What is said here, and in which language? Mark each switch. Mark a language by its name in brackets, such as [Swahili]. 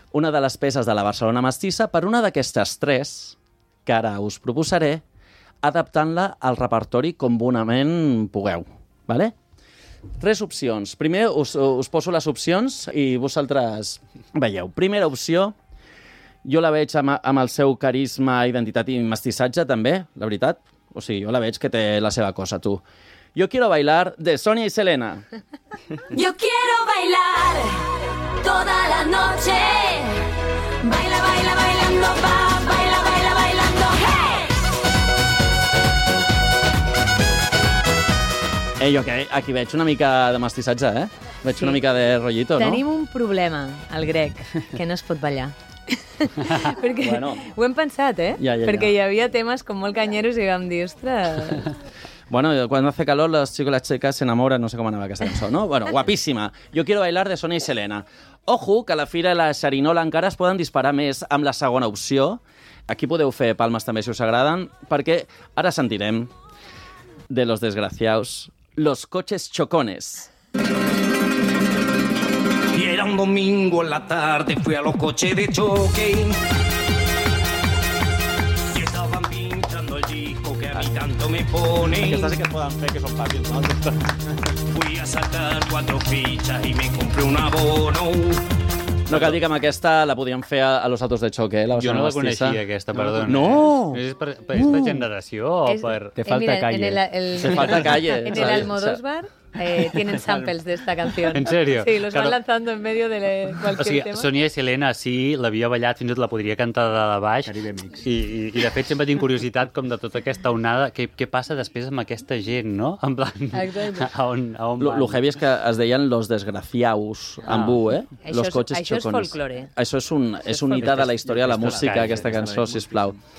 [Catalan] Una de les peces de la Barcelona Mestissa per una d'aquestes tres, que ara us proposaré, adaptant-la al repertori com bonament pugueu, d'acord? ¿Vale? Tres opcions. Primer us poso les opcions i vosaltres veieu. Primera opció... Jo la veig amb el seu carisma, identitat i mestissatge, també, la veritat. O sigui, jo la veig que té la seva cosa, tu. [Spanish] Yo quiero bailar, de Sonia y Selena. Yo quiero bailar toda la noche. Baila, baila, bailando, va. Baila, baila, bailando, hey! Ei, okay. [Catalan] Aquí veig una mica de mestissatge, eh? Veig sí. Una mica de rollito, tenim no? Tenim un problema, el Grec, que no es pot ballar. Perquè bueno, ho hem pensat, eh? Ja. Perquè hi havia temes com molt canyeros i vam dir, ostres... [Spanish] Bueno, cuando hace calor, los chicos y las chicas se enamoran, [Catalan] no sé com anava aquesta cançó, [Spanish] no? Bueno, guapíssima. Yo quiero bailar, de Sonia y Selena. [Catalan] Ojo, que a la fira de la Xerinola encara es poden disparar més amb la segona opció. Aquí podeu fer palmes també, si us agraden, perquè ara sentirem de los desgraciados los coches chocones. [Spanish] Y era un domingo en la tarde, fui a los coches de choque. Y estaban pinchando el disco que a mí tanto me pone. [Catalan] Aquestes sí que es poden fer, que són fàcils, no? [Spanish] Fui a sacar cuatro fichas y me compré un abono. [Catalan] No cal dir que amb aquesta la podíem fer [Spanish] a los autos de choque, [Catalan] la Jo no la coneixia, aquesta, perdona. No! És per generació o per... [Spanish] Te falta calle. Te falta calle. En el Almodóvar... tienen samples de esta canción. ¿En serio? Sí, los claro. Van lanzando en medio de cualquier [Catalan] o sigui, [Spanish] tema. [Catalan] Sonia i Selena, sí, l'havia ballat, fins i tot la podria cantar de baix. Caribe Mix. I de fet, sempre tinc curiositat com de tota aquesta onada, què passa després amb aquesta gent, no? En plan, a on van? Lo heavy és que es deien los desgraciaus, amb U, eh? [Spanish] Los coches chocones. [Catalan] Això és folclore. Això és un hita de la història de la música, aquesta cançó, sisplau.